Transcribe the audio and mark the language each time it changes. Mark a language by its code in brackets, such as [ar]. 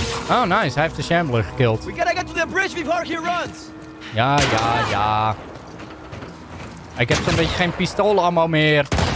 [en] Oh, nice. [nl] Hij heeft de Shambler gekillt. [en] We gotta get to the bridge before he runs. [nl] Ja, ja, ja. Ik heb zo'n beetje geen pistolen allemaal meer.